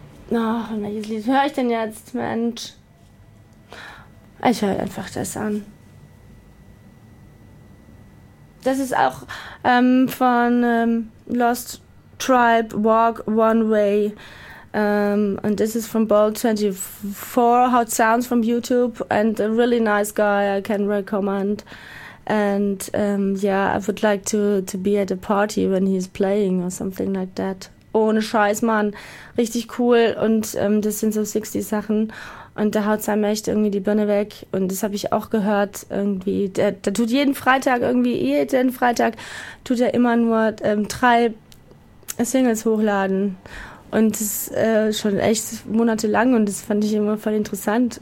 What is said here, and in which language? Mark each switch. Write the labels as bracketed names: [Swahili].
[German] Na, welches Lied höre ich denn jetzt, Mensch? Ich höre einfach das an. Das ist auch von Lost Tribe, Walk One Way. [English] And this is from Bolt 24, how it sounds from YouTube. And a really nice guy I can recommend. And I would like to be at a party when he's playing or something like that. [German] Ohne Scheiß, Mann. Richtig cool. Und das sind so 60 Sachen. Und da haut seinem echt irgendwie die Birne weg. Und das habe ich auch gehört. Irgendwie. Der tut jeden Freitag irgendwie, jeden Freitag tut er immer nur 3 Singles hochladen. Und das ist schon echt monatelang. Und das fand ich immer voll interessant.